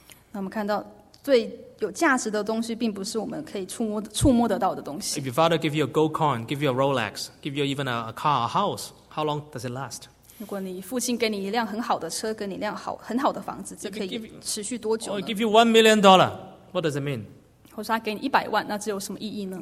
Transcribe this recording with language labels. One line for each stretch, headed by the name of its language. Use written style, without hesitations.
Chinese: 那我们看到最有价值的东西并不是我们可以触摸得到的东西。
English: If your father give you a gold coin, give you a Rolex, give you even a car, a house, how long does it last?
Chinese: 如果你父亲给你一辆很好的车，给你一辆好很好的房子，这可以持续多久呢？
English: Give you $1 million, what does it mean?
Chinese: 或是他给你一百万，那这有什么意义呢？